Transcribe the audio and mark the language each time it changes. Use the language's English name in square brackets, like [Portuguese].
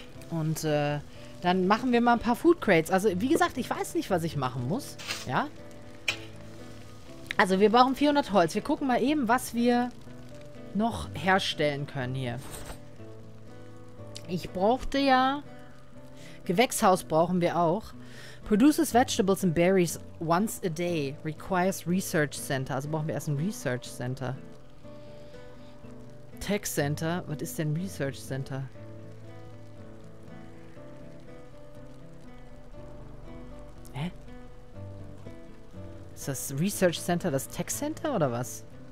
[German] Und dann machen wir mal ein paar Food Crates. Also wie gesagt, ich weiß nicht, was ich machen muss. Ja. Also wir brauchen 400 Holz. Wir gucken mal eben, was wir noch herstellen können hier. Ich brauchte ja... Gewächshaus brauchen wir auch. [English] Produces vegetables and berries once a day. Requires research center. [German] Also brauchen wir erst ein research center. Tech center? Was ist denn research center? Hä? Ist das research center das Tech center oder was?